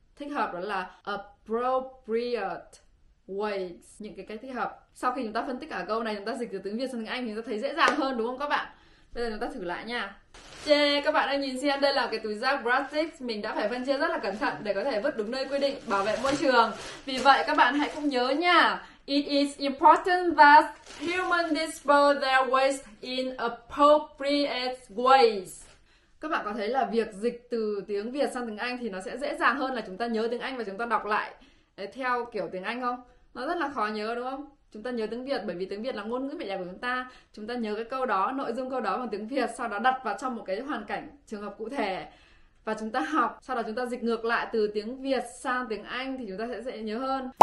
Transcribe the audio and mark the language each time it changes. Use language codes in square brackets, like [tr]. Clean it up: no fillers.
[vi] Thích hợp đó là appropriate. Ways, những cái cách thích hợp. Sau khi chúng ta phân tích cả câu này, chúng ta dịch từ tiếng Việt sang tiếng Anh, chúng ta thấy dễ dàng hơn đúng không các bạn? Bây giờ chúng ta thử lại nha. Yeah, các bạn đã nhìn xem đây là cái túi rác plastic mình đã phải phân chia rất là cẩn thận để có thể vứt đúng nơi quy định bảo vệ môi trường. Vì vậy các bạn hãy cũng nhớ nha. [en] It is important that humans dispose their waste in appropriate ways. [vi] Các bạn có thấy là việc dịch từ tiếng Việt sang tiếng Anh thì nó sẽ dễ dàng hơn là chúng ta nhớ tiếng Anh và chúng ta đọc lại theo kiểu tiếng Anh không? nó rất là khó nhớ đúng không? Chúng ta nhớ tiếng Việt bởi vì tiếng Việt là ngôn ngữ mẹ đẻ của chúng ta. Chúng ta nhớ cái câu đó, nội dung câu đó bằng tiếng Việt, sau đó đặt vào trong một cái hoàn cảnh, trường hợp cụ thể và chúng ta học, sau đó chúng ta dịch ngược lại từ tiếng Việt sang tiếng Anh thì chúng ta sẽ dễ nhớ hơn.